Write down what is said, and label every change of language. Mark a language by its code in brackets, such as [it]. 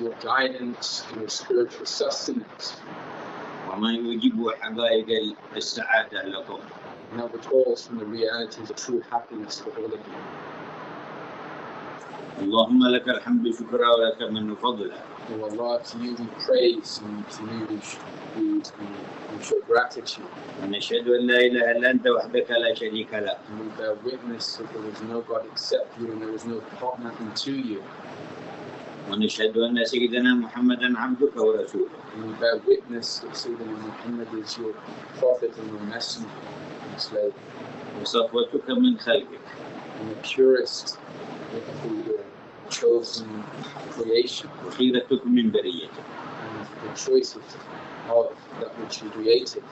[en] now the calls from the reality of true happiness for all of you. [ar] Allahumma laka alhamdu shukra wa laka minu fadla. [en] O Allah, to you we praise and to you we show gratitude. [ar] نشهد أن لا إله إلا أنت وحدك لا شريك لك. [en] And we bear witness that there is no God except you and there is no partner unto you. [ar] ونشهد أن سيدنا محمدا عبدك ورسولك. [en] And we bear witness that Sayyidina Muhammad is your prophet and your messenger and slave. And the purest of your chosen creation. And the choice of that which you created.